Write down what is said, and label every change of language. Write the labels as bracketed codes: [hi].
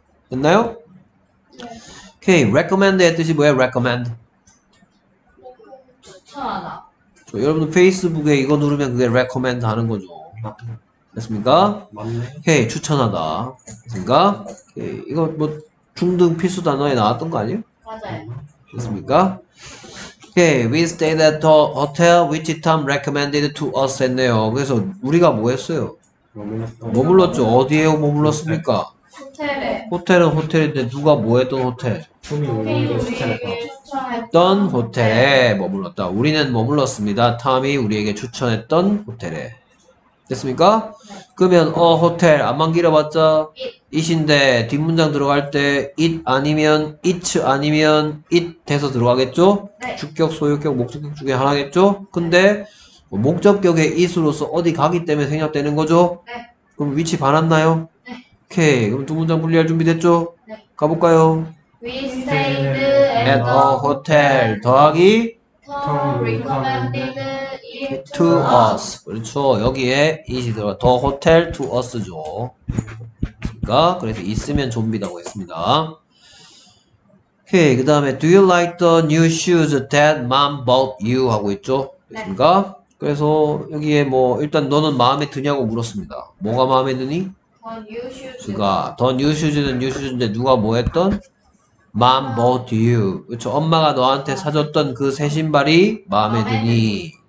[ko] 됐나요? 오케이. recommend의 뜻이 뭐예요? recommend. 추천하다. 여러분 페이스북에 이거 누르면 그게 recommend 하는 거죠. 됐습니까? 맞네. 오케이. 추천하다. 됐습니까? 오케이. 이거 뭐 중등 필수 단어에 나왔던 거 아니에요? 맞아요. 됐습니까? [en] Okay, we stayed at the hotel which Tom recommended to us 했네요. [ko] 그래서 우리가 뭐 했어요? 머물렀죠. 어디에 머물렀습니까? 호텔에. 호텔은 호텔인데 누가 뭐 했던 호텔? 우리에게 추천했던 호텔에 머물렀다. 우리는 머물렀습니다. 탐이 우리에게 추천했던 호텔에. 됐습니까? 그러면 호텔 안만 길어봤자 it인데 뒷문장 들어갈 때 it 아니면 it 아니면 it 돼서 들어가겠죠? 네. 주격, 소유격, 목적격 중에 하나겠죠? 근데 네. 목적격의 it으로서 어디 가기 때문에 생략되는 거죠? 네. 그럼 위치 받았나요? 네. 오케이. 그럼 두 문장 분리할 준비 됐죠? 네. 가볼까요? [en] We stayed at a hotel [ko] 더하기 [en] Tom recommended to us. [ko] 그렇죠. 여기에 [en] is [ko] 들어가. [en] The hotel to us죠. [ko] 그러니까 그래서 있으면 좀비라고 했습니다. 오케이. 그 다음에 [en] Do you like the new shoes that mom bought you? [ko] 하고 있죠. 그렇습니까? 네. 그래서 여기에 뭐 일단 너는 마음에 드냐고 물었습니다. 뭐가 마음에 드니? [en] The new shoes. The new shoes인데 [ko] 누가 뭐 했던? [en] Mom bought you. [ko] 그렇죠. 엄마가 너한테 사줬던 그 새 신발이 마음에 드니.